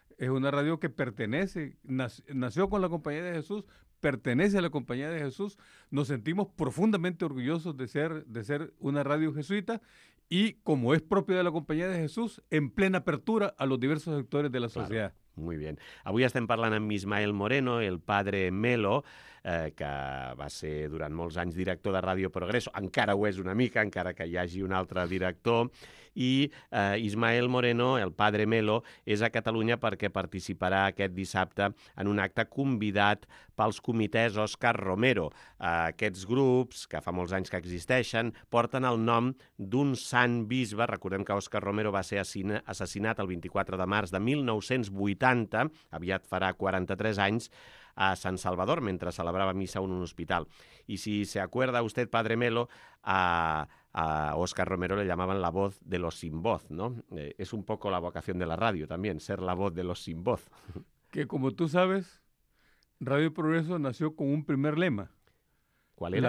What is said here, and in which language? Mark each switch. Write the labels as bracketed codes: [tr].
[es] Es una radio que pertenece, nació con la Compañía de Jesús, pertenece a la Compañía de Jesús. Nos sentimos profundamente orgullosos de ser una radio jesuita y, como es propio de la Compañía de Jesús, en plena apertura a los diversos sectores de la sociedad. Claro. Muy bien. [ca] Avui estem parlant amb Ismael Moreno, el padre Melo, que va ser durant molts anys director de Ràdio Progreso, encara ho és una mica, encara que hi hagi un altre director, i Ismael Moreno, el padre Melo, és a Catalunya perquè participarà aquest dissabte en un acte convidat pels comitès Òscar Romero. Aquests grups, que fa molts anys que existeixen, porten el nom d'un sant bisbe. Recordem que Òscar Romero va ser assassinat el 24 de març de 1980, aviat farà 43 anys, a Sant Salvador, mentre celebrava missa en un hospital. [es] I si se acuerda usted, padre Melo, a Óscar Romero le llamaban la voz de los sin voz, ¿no? Es un poco la vocación de la radio también, ser la voz de los sin voz. Que, como tú sabes, Radio Progreso nació con un primer lema. ¿Cuál era?